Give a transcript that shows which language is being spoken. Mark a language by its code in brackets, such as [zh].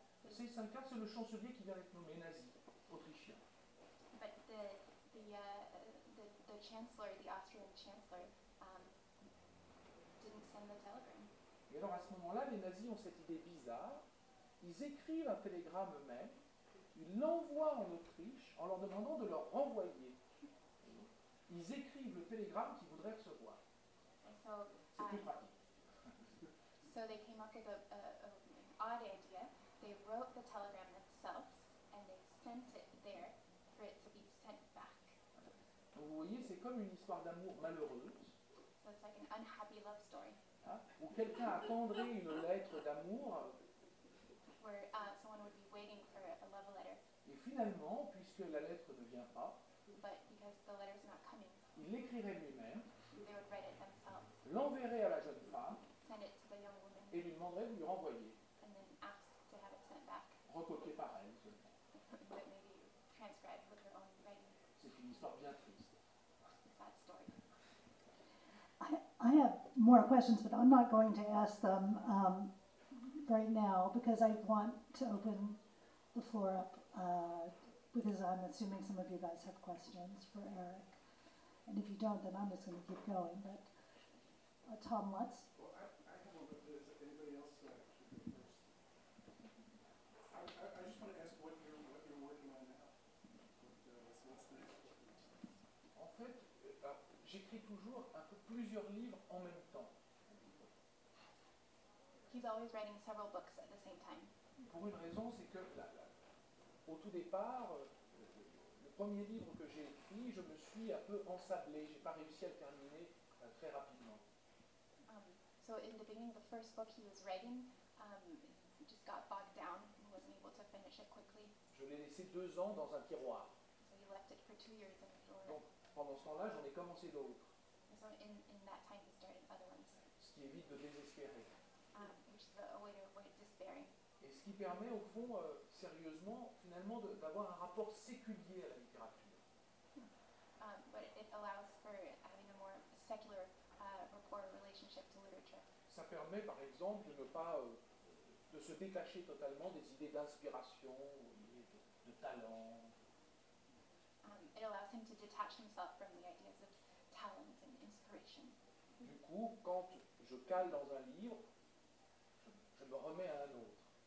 [fr] Seyss-Inquart, c'est le chancelier qui vient d'être nommé nazi autrichien. [en] But the chancellor, the Austrian chancellor, didn't send the telegram. [fr] Et alors à ce moment-là, les nazis ont cette idée bizarre. Ils écrivent un télégramme eux-mêmes. Ils l'envoient en Autriche en leur demandant de leur renvoyer. Ils écrivent le télégramme qu'ils voudraient recevoir. [en] So, [fr] c'est plus pratique. [en] So they came up with an odd idea. They wrote the telegram themselves and they sent it there for it to be sent back. [fr] Donc vous voyez, c'est comme une histoire d'amour malheureuse. [en] So it's like an unhappy love story. [fr] Hein, où quelqu'un attendrait une lettre d'amour. [en] Where someone would be waiting for a love letter. [fr] Et finalement, puisque la lettre ne vient pas, [en] but because the letter's not coming, [fr] il l'écrirait lui-même, [en] they would write it themselves, [fr] l'enverrait à la jeune femme, [en] send it to the young woman, [fr] et lui demanderait de lui renvoyer. [en] And then ask to have it sent back. [fr] Recopié par elle. [en] But maybe transcribed with her own writing. [fr] C'est une histoire bien triste. [en] Sad story. I have more questions, but I'm not going to ask them right now, because I want to open the floor up, because I'm assuming some of you guys have questions for Eric. And if you don't, then I'm just going to keep going. But Tom Lutz? Well, I have one, but is anybody else that should go first? I just want to ask what you're working on now. What's the next question? [fr] En fait, j'écris toujours un peu plusieurs livres en même temps. [en] He's always writing several books at the same time. [fr] Pour une raison, c'est que au tout départ, le premier livre que j'ai écrit, je me suis un peu ensablé. J'ai pas réussi à le terminer très rapidement. [en] So in the beginning, the first book he was writing just got bogged down and wasn't able to finish it quickly. [fr] Je l'ai laissé 2 ans dans un tiroir. [en] So he left it for 2 years in the drawer. [fr] Donc pendant ce temps-là, j'en ai commencé d'autres. [en] So in that time, he started other ones. [fr] Ce qui évite de désespérer. [en] Which is a way to avoid despairing. [fr] Et ce qui permet au fond, sérieusement, finalement, d'avoir un rapport séculier à la littérature. [en] But it allows for having a more secular rapport relationship to literature. [fr] Ça permet, par exemple, de ne pas de se détacher totalement des idées d'inspiration, de talent. [en] It allows him to detach himself from the ideas of talent and inspiration. [fr] Du coup, quand je cale dans un livre, je me remets à un autre.